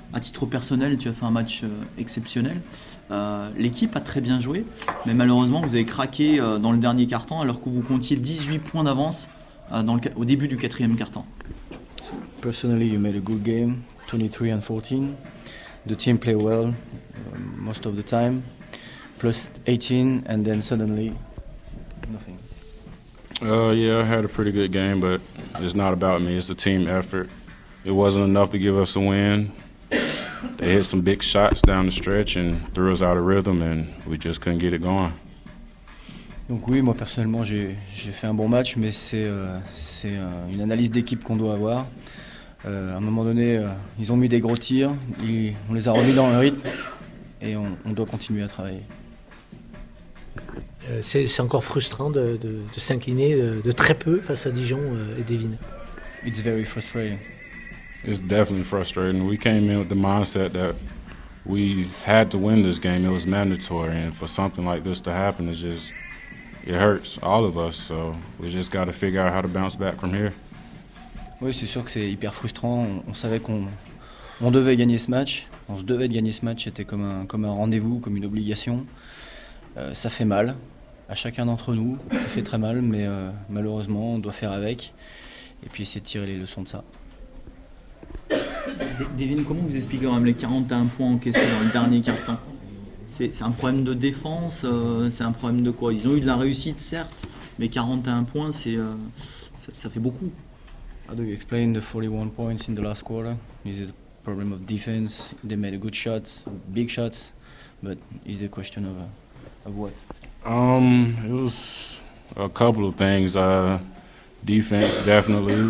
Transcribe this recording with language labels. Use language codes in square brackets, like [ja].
[fr] à titre personnel, tu as fait un match exceptionnel. L'équipe a très bien joué, mais malheureusement, vous avez craqué dans le dernier quart-temps alors que vous comptiez 18 points d'avance au début du quatrième quart-temps. [en] Personally, you made a good game, 23 and 14. The team played well most of the time, plus 18, and then suddenly, nothing. Yeah, I had a pretty good game, but it's not about me, it's a team effort. It wasn't enough to give us a win. They hit some big shots down the stretch and threw us out of rhythm, and we just couldn't get it going. [fr] Donc oui, moi personnellement, j'ai fait un bon match, mais c'est une analyse d'équipe qu'on doit avoir. À un moment donné, ils ont mis des gros tirs, on les a remis dans le rythme et on doit continuer à travailler. C'est encore frustrant de s'incliner de très peu face à Dijon et Devine. [en] It's very frustrating. It's definitely frustrating. We came in with the mindset that we had to win this game. It was mandatory, and for something like this to happen, it hurts all of us. So we just got to figure out how to bounce back from here. [fr] Oui, c'est sûr que c'est hyper frustrant. On savait qu'on devait gagner ce match. On se devait de gagner ce match. C'était comme un rendez-vous, comme une obligation. Ça fait mal à chacun d'entre nous. Ça fait très mal, mais malheureusement, on doit faire avec et puis essayer de tirer les leçons de ça. Devine, comment vous expliquez les 41 points encaissés dans le dernier quart-temps ? C'est un problème de défense ? C'est un problème de quoi ? Ils ont eu de la réussite, certes, mais 41 points, ça fait beaucoup. [en] How do you explain the 41 points in the last quarter? Is it a problem of defense? They made a good shots, big shots, but is the question of what? It was a couple of things. Defense, definitely.